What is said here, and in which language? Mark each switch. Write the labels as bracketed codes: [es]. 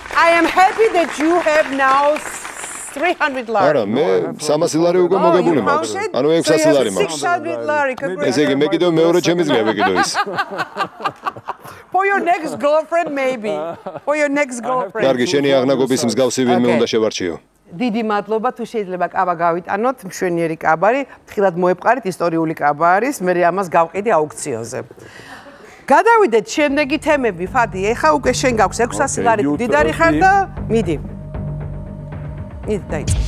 [en] I am happy that you have now 300 lari. [ka] არა, მე 300 ლარი უკვე მოგებული მაქვს. ანუ 600 ლარი მაქვს. ესე იგი, მე კიდევ მეორე შემიძლია ვიყიდო ის. [en] For your next girlfriend maybe. For your next girlfriend. [ka] კარგი, შენი აღნაგობის მსგავსი ვინმე უნდა შევარჩიო. დიდი მადლობა, თუ შეიძლება კაბა გავიტანოთ, მშვენიერი კაბარი, ფრთხილად მოეპყარით, ისტორიული კაბა არის, მე ამას გავყიდი აუქციონზე. გადავიდეთ შემდეგი თემები, ფადი, ეხა უკვე შენ გაქვს 600 ლარი, მდიდარი ხარ და მიდი. ისდაი.